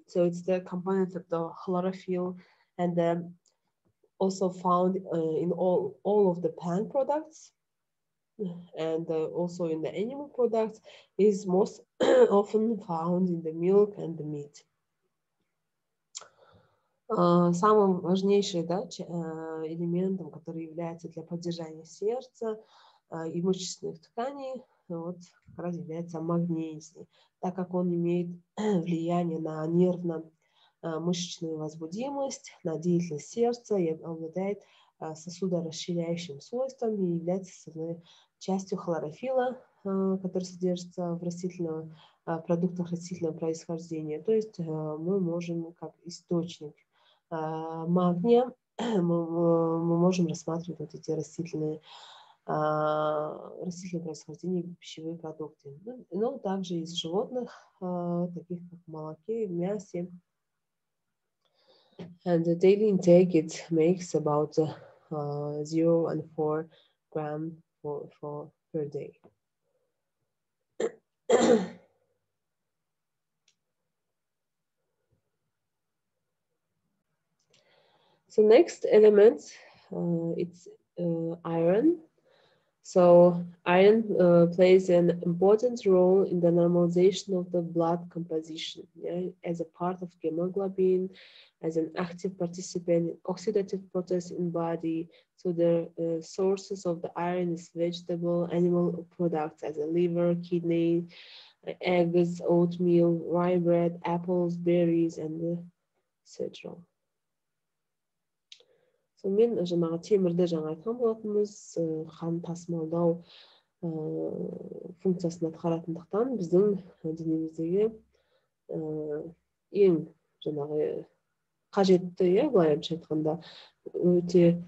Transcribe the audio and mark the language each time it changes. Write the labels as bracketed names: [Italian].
[English] So it's the component of the chlorophyll and also found in all of the plant products and also in the animal products, is most often found in the milk and the meat. [Russian] Самым важнейшим, да, элементом, который является для поддержания сердца и мышечных тканей, вот, как раз является магнезий, так как он имеет влияние на нервно-мышечную возбудимость, на деятельность сердца и обладает сосудорасширяющим свойством и является основной частью хлорофилла, который содержится в растительном продуктах растительного происхождения. То есть мы можем как источник магния мы можем рассматривать вот эти растительные происхождения пищевые продукты, но также из животных, таких как молоке, мясе. [English] And the daily intake it makes about 0.4 gram for per day. So next element, it's iron. So iron plays an important role in the normalization of the blood composition, yeah, as a part of hemoglobin, as an active participant in oxidative process in body. So the sources of the iron is vegetable, animal products as a liver, kidney, eggs, oatmeal, rye bread, apples, berries, and etc. [Kazakh] So мен жаңағы темірді жаңа айтқан болатынбыз, қан тасымалдау функциясын атқаратындықтан біздің денеміздегі ең жаңағы қажетті, иә, былай айтқанда өте